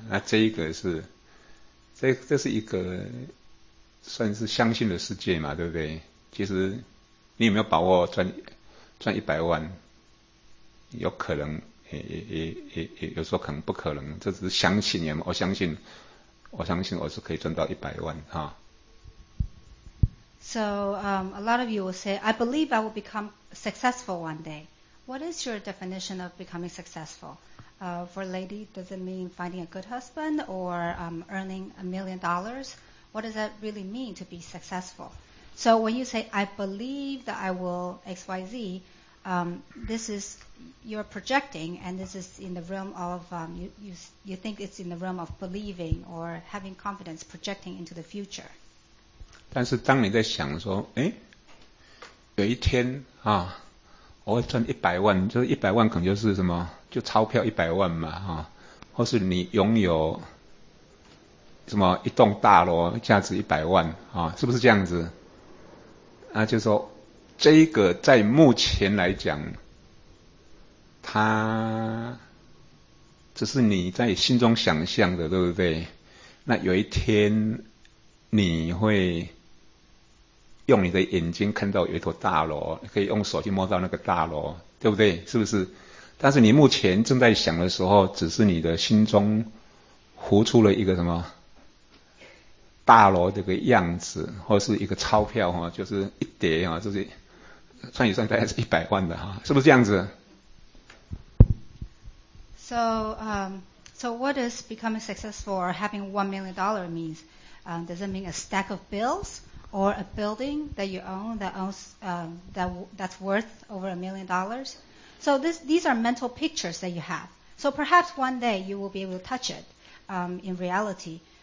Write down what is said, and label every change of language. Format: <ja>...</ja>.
<zh>那这一个是，这是一个算是相信的世界嘛，对不对？其实你有没有把握赚一百万？有可能，也有时候可能不可能，这只是相信，我相信。我相信我是可以赚到一百万哈。</zh> <en>So, a lot of you will say, I believe I will become successful one day. What is your definition of becoming successful? For a lady, does it mean finding a good husband or earning $1 million? What does that really mean to be successful? So when you say, I believe that I will XYZ, this is, you're projecting, and this is in the realm of, you think it's in the realm of believing or having confidence, projecting into the future.</en> <zh>但是当你在想说，有一天啊，我会赚一百万，就是一百万可能就是什么，就钞票一百万嘛，啊，或是你拥有什么一栋大楼，价值一百万，啊，是不是这样子？那就是说，这一个在目前来讲，它只是你在心中想象的，对不对？那有一天你会用你的眼睛看到有一座大楼，可以用手去摸到那个大楼，对不对？是不是？但是你目前正在想的时候，只是你的心中浮出了一个什么大楼这个样子，或是一个钞票，就是一叠，就是算一算大概是一百万的，是不是这样子？</zh> <en>So what does becoming successful or having $1 million means? Does it mean a stack of bills or a building that you own that's worth over $1 million? So these are mental pictures that you have. So perhaps one day you will be able to touch it in reality.</en>